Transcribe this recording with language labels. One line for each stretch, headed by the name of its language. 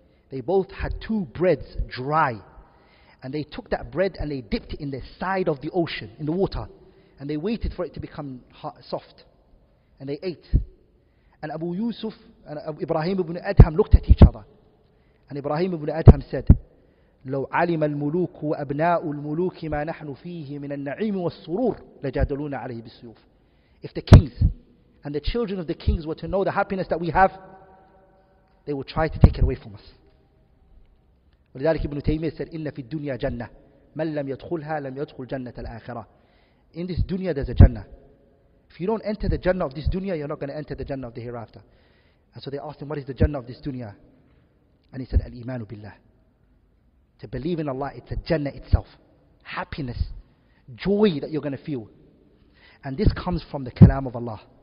English: They both had two breads dry. And they took that bread and they dipped it in the side of the ocean, in the water. And they waited for it to become hot, soft. And they ate. And Abu Yusuf and Ibrahim ibn Adham looked at each other. And Ibrahim ibn Adham said,
Arabic: لو علم الملوك وأبناء الملوك ما نحن فيه من النعيم والسرور لجادلونا عليه بالسيوف.
English: If the kings and the children of the kings were to know the happiness that we have, they would try to take it away from us.
Arabic: ولذلك ابن تيمية
English: said,
Arabic: إن في الدنيا جنة من لم يدخلها لم يدخل جنة الآخرة.
English: In this dunya there's a jannah. If you don't enter the Jannah of this dunya, you're not going to enter the Jannah of the hereafter. And so they asked him, what is the Jannah of this dunya? And he said, Al-Imanu Billah. To believe in Allah, it's a Jannah itself. Happiness, joy that you're going to feel. And this comes from the Kalam of Allah.